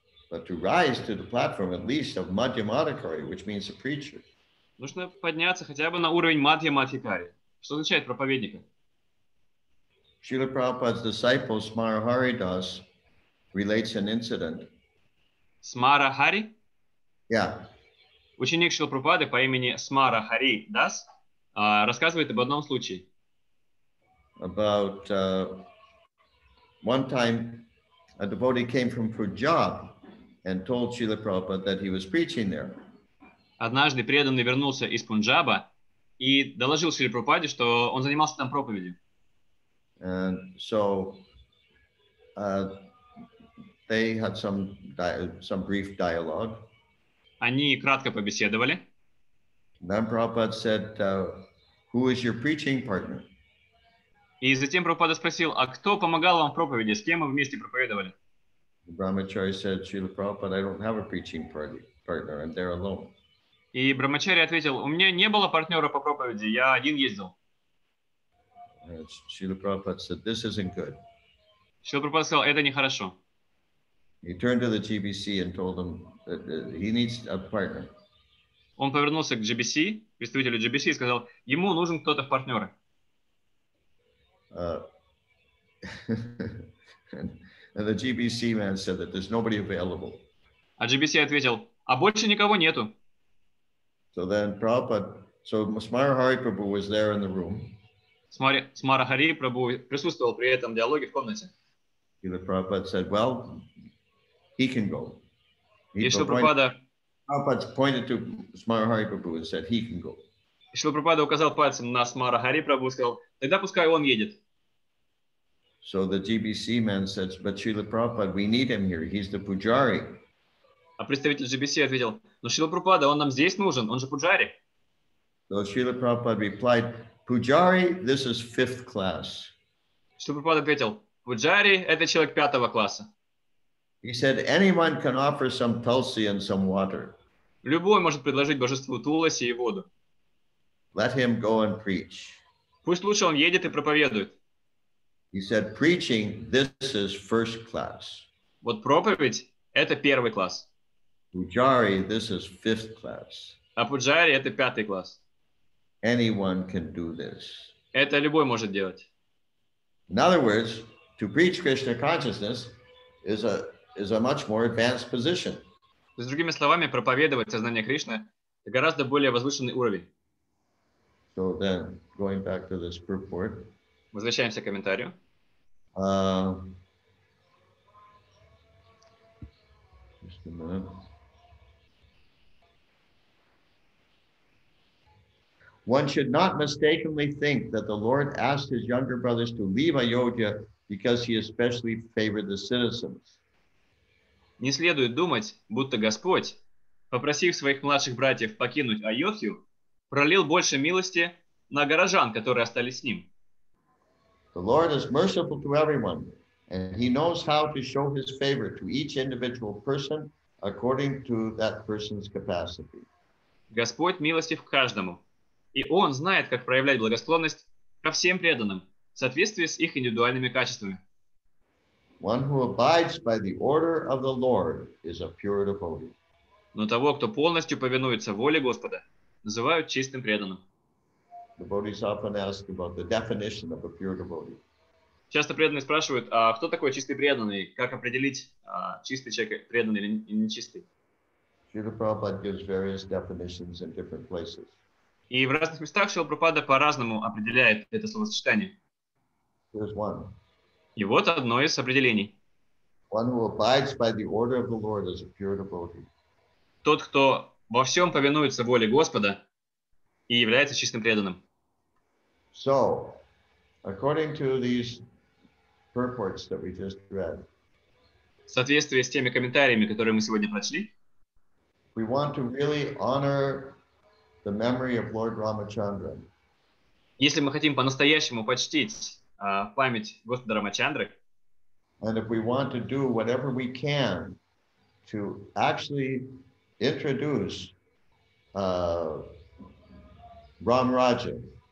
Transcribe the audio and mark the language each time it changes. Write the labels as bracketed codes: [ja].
[en] But to rise to the platform at least of Madhyamadhikari, which means a preacher. [ru] Нужно подняться хотя бы на уровень Мадхьямадхикари. Что означает проповедника? [en] Srila Prabhupada's disciple Smara Haridas relates an incident. Smara Hari? Yeah. [ru] Ученик Шрилы Прабхупады по имени Смара Хари Дас рассказывает об одном случае. [en] About one time a devotee came from Punjab and told Srila Prabhupada that he was preaching there. [ru] Однажды преданный вернулся из Пунджаба и доложил Шриле Прабхупаде, что он занимался там проповедью. [en] And so they had some brief dialogue. [ru] Они кратко побеседовали. [en] Then Prabhupada said, who is your preaching partner? [ru] И затем Прабхупада спросил, а кто помогал вам в проповеди, с кем вы вместе проповедовали? [en] Brahmachari said, Srila Prabhupada, I don't have a preaching partner, I'm there alone. [ru] И Брамачари ответил, у меня не было партнера по проповеди, я один ездил. [en] Srila Prabhupada said, this isn't good. [ru] Srila Prabhupada сказал, это нехорошо. [en] He turned to the GBC and told them that he needs a partner. [ru] Он повернулся к GBC, представителю GBC, и сказал, ему нужен кто-то в партнеры. [en] And the GBC man said that there's nobody available. [ru] А GBC ответил, а больше никого нету. [en] So then Prabhupada, so Smara Hari Prabhu was there in the room. [ru] Smara Hari Prabhu присутствовал при этом диалоге в комнате. [en] Srila Prabhupada said, well, he can go. Prabhupada pointed to Smara Hari Prabhu and said, he can go. [ru] Srila Prabhupada указал пальцем на Смара Хари Прабху и сказал, тогда пускай он едет. [en] So the GBC man said, but Srila Prabhupada, we need him here, he's the pujari. [ru] А представитель GBC ответил, но Шрила Прабхупада, он нам здесь нужен, он же пуджари. [en] So Srila Prabhupada replied, pujari, this is fifth class. [ru] Шрила Прабхупада ответил, пуджари, это человек пятого класса. [en] He said, anyone can offer some tulsi and some water. [ru] Любой может предложить божеству туласи и воду. [en] Let him go and preach. [ru] Пусть лучше он едет и проповедует. [en] He said, preaching, this is first class. [ru] Вот проповедь, это первый класс. [en] Pujari, this is fifth class. [ru] А пуджари, это пятый класс. [en] Anyone can do this. [ru] Это любой может делать. [en] In other words, to preach Krishna consciousness is a much more advanced position. [ru] С другими словами, проповедовать сознание Кришны это гораздо более возвышенный уровень. [en] So then, going back to this purport. [ru] Возвращаемся к комментарию. [en] Just a minute. One should not mistakenly think that the Lord asked his younger brothers to leave Ayodhya because he especially favored the citizens. [ru] Не следует думать, будто Господь, попросив своих младших братьев покинуть Айодхью, пролил больше милости на горожан, которые остались с ним. [en] The Lord is merciful to everyone, and he knows how to show his favor to each individual person according to that person's capacity. [ru] Господь милостив каждому, и он знает, как проявлять благосклонность ко всем преданным в соответствии с их индивидуальными качествами. [en] One who abides by the order of the Lord is a pure devotee. [ru] Но того, кто полностью повинуется воле Господа, называют чистым преданным. [en] Devotees often ask about the definition of a pure devotee. [ru] Часто преданные спрашивают, а кто такой чистый преданный? Как определить, чистый человек преданный или нечистый? [en] Srila Prabhupada gives various definitions in different places. [ru] И в разных местах Srila Prabhupada по-разному определяет это словосочетание. [en] Here's one. [ru] И вот одно из определений. [en] One who abides by the order of the Lord is a pure devotee. [ru] Тот, кто во всем повинуется воле Господа и является чистым преданным. [en] So, according to these purports that we just read, [ru] в соответствии с теми комментариями, которые мы сегодня прочли, [en] we want to really honor the memory of Lord Ramachandra. [ru] Если мы хотим по-настоящему почтить память Господа Рамачандры, [en] and if we want to do whatever we can to actually introduce Ramaraja.